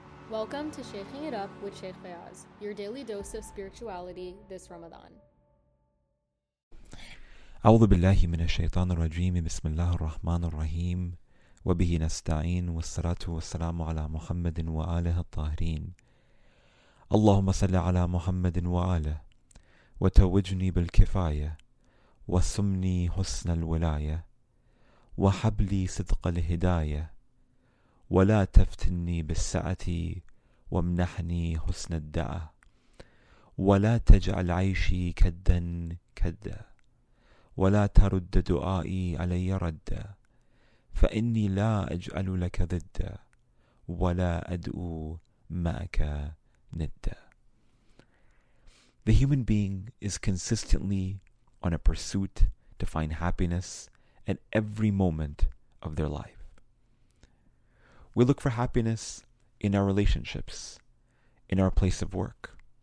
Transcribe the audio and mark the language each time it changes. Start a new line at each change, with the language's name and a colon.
English: Welcome to Shaking It Up with Sheikh Fayaz, your daily dose of spirituality this Ramadan.
Arabic: أعوذ بالله من الشيطان الرجيم بسم الله الرحمن الرحيم وبه نستعين والصلاة والسلام على محمد وآله الطاهرين اللهم صل على محمد وآله وتوجني بالكفاية وسمني حسن الولاية وحبلي صدق الهداية ولا تفتني بالسعة وامنحني حسن الدعاء ولا تجعل عيشي كدا كدا ولا ترد دعائي علي رد فإني لا أجعل لك ضد ولا أدعو معك ند.
English: The human being is consistently on a pursuit to find happiness at every moment of their life. We look for happiness in our relationships, in our place of work.